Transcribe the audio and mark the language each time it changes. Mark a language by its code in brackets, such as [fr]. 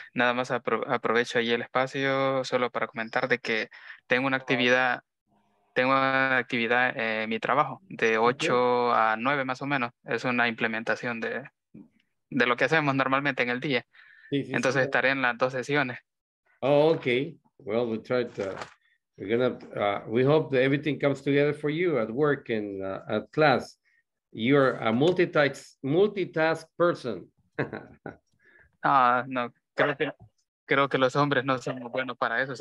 [es] Nada más aprovecho ahí el espacio solo para comentar de que tengo una actividad en mi trabajo de 8 a 9 más o menos. Es una implementación de lo que hacemos normalmente en el día. Sí, sí, entonces sí. Estaré en las dos sesiones. [en] Oh, okay. Well, we tried to, we hope that everything comes together for you at work and at class. You're a multitask person. [es] No, creo que los hombres no son buenos para eso.